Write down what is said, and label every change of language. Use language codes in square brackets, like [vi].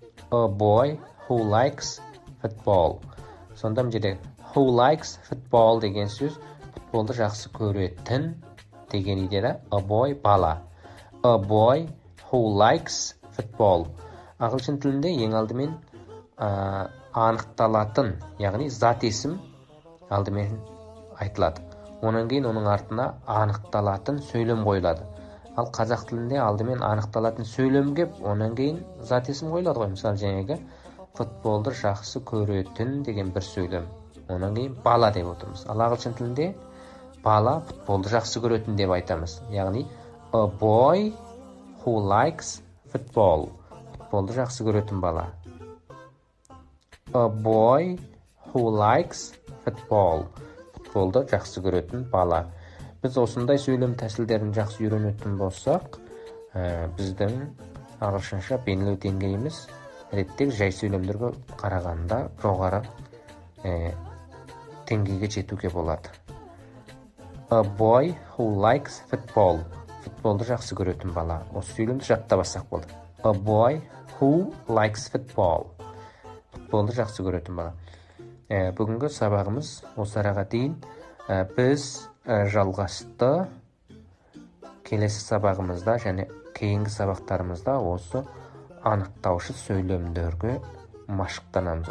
[en] A boy who likes football. [kk] Сонда мүмкін, [en] who likes football [kk] деген сөз футболды жақсы көретін деген идея. [en] A boy [kk] бала. [en] A boy who likes football. [kk] Ағылшын тілінде ең алдымен анықталатын, яғни зат есім алдымен айтылады. Оның кейін оның артына анықталатын сөйлем қойылады. Ал қазақ тілінде алдымен анықталатын сөйлемге оның кейін зат есім қойылады ғой. Мысалы, жаңағы футболды жақсы көретін деген бір сөйлем. Оның кейін бала деп отырмыз. Ал ағылшын тілінде бала футболды жақсы көретін деп айтамыз. Яғни [en] a boy who likes football. [kk] Футболды жақсы көретін бала. [en] A boy who likes football. [kk] Футболды жақсы көретін бала. Біз осындай сөйлем тәсілдерін жақсы үйренетін болсақ, біздің ағылшынша бейнелеу деңгейіміз реттегі жай сөйлемдерге қарағанда жоғары деңгейге жетуге болады. [en] A boy who likes football. [kk] Футболды жақсы көретін бала. Осы сөйлемді жаттабасақ болды. [en] A boy who likes football. [kk] Футболды жақсы көретін бала. Бүгінгі сабағымыз осы араға дейін. Біз жалғасты келесі сабағымызда және кейінгі сабақтарымызда осы анықтаушы сөйлемдерге машықтанамыз.